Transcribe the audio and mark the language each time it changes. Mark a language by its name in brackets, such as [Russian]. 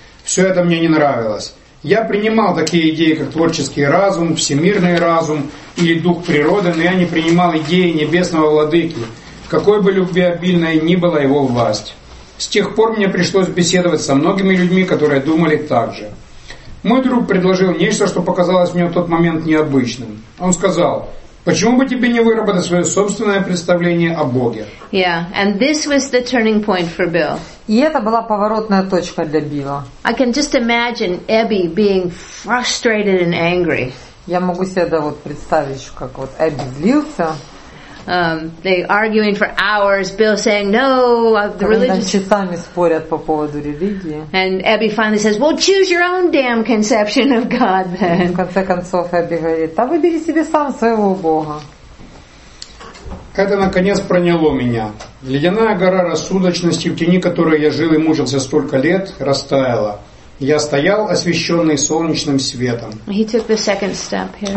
[Russian] Все это мне не нравилось. Я принимал такие идеи, как творческий разум, всемирный разум или дух природы, но я не принимал идеи небесного владыки, какой бы любвеобильной ни была его власть. С тех пор мне пришлось беседовать со многими людьми, которые думали так же. Мой друг предложил нечто, что показалось мне в тот момент необычным. Он сказал: «Почему бы тебе не выработать свое собственное представление о Боге?» [English] Yeah, and this was the turning point for Bill. [Russian] И это была поворотная точка для Билла. [English] I can just imagine Abby being frustrated and angry. [Russian] Я могу себе это вот представить, как вот Эбби злился. [English] They arguing for hours, Bill saying, "No, the religion." [Russian] Часами спорят по поводу религии. [English] And Abby finally says, "Well, choose your own damn conception of God, then." [Russian] В конце концов Эбби говорит: "Да выбери себе сам своего Бога." Это наконец проняло меня. Ледяная гора рассудочности, в тени которой я жил и мучился столько лет, растаяла. Я стоял, освещенный солнечным светом. [English] He took the second step here.